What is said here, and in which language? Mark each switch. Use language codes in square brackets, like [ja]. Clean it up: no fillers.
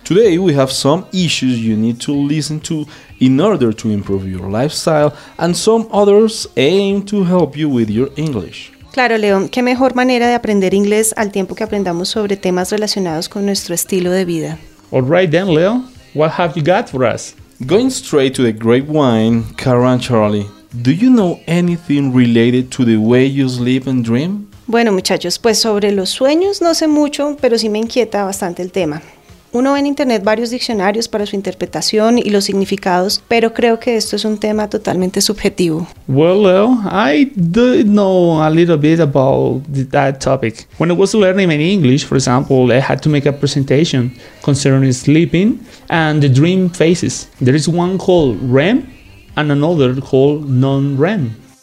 [en] Today we have some issues you need to listen to in order to improve your lifestyle and some others aim to help you with your English. [es] Claro, León, qué mejor manera de aprender inglés al tiempo que aprendamos sobre temas relacionados con nuestro estilo de vida. [en] All right then, Leo, what have you got for us? Going straight to the great wine, Karen Charlie, do you know anything related to the way you sleep and dream? [es] Bueno, muchachos, pues sobre los sueños no sé mucho, pero sí me inquieta bastante el tema. Uno ve en internet varios diccionarios para su interpretación y los significados, pero creo que esto es un tema totalmente subjetivo. [en] Well, Leo, I do know a little bit about that topic. When I was learning my English, for example, I had to make a presentation concerning sleeping and the dream phases. There is one called REM and another called non-REM.